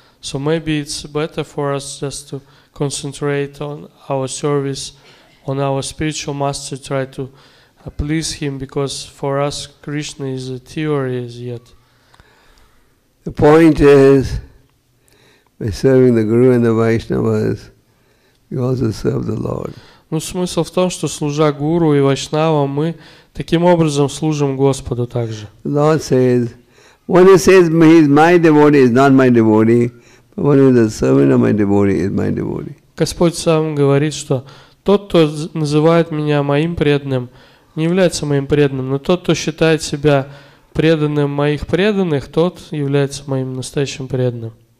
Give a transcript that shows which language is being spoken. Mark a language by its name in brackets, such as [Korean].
[English] So maybe it's better for us just to concentrate on our service, on our spiritual master, try to please him, because for us Krishna is a theory as yet. The point is, by serving the Guru and the Vaishnavas, you also serve the Lord. [Russian] Ну, смысл в том, что служа Гуру и Вайшнавам, мы таким образом служим Господу также. [English] Lord says, one who says he is my devotee is not my devotee, but one who is a servant of my devotee is my devotee. [Russian] Господь сам говорит, что тот, кто называет меня моим преданным, не является моим преданным, но тот, кто считает себя преданным моих преданных, тот является моим настоящим преданным.